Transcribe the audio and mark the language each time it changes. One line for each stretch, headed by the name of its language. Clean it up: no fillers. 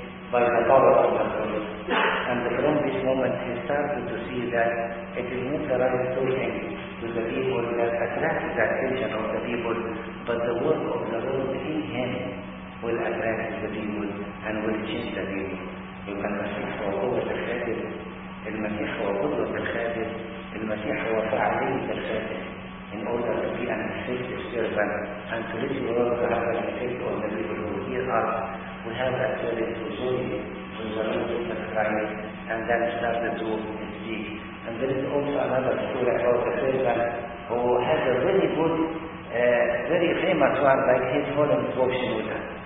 English: by the power of the Holy Spirit. And from this moment he started to see that it is not the right thing to the people that attract the attention of the people, but the work of the Lord in him will attract the people and will change the people.
Arabic: يبقى المسيح هو قوة الخادم، المسيح هو قدوة الخادم، المسيح هو فاعلية الخادم.
English: In order to be an effective servant and to let the Lord have an effect on the people who hear us, we have actually to join with the Lord of the Christ and then start to speak. And there is also another story about a servant who has a very good, very famous one, like his Holland Volkswagen.